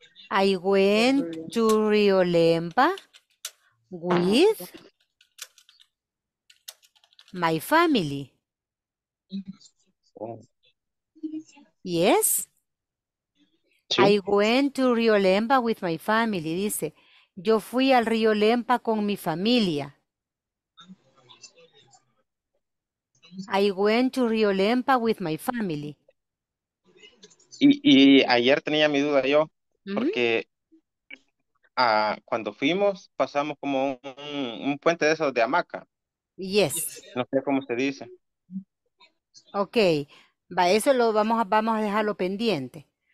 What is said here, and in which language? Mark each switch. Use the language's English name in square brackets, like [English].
[English] I went to Rio Lempa with my family. Oh. Yes. Sí. I went to Rio Lemba with my family, dice. [Spanish] Yo fui al Río Lempa con mi familia. [English] I went to Rio Lempa with my family. [Spanish] Y ayer tenía mi duda yo, porque cuando fuimos, pasamos como un puente de esos de hamaca. [English] Yes. [Spanish] No sé cómo se dice. Ok, va, eso lo vamos a, vamos a dejarlo pendiente.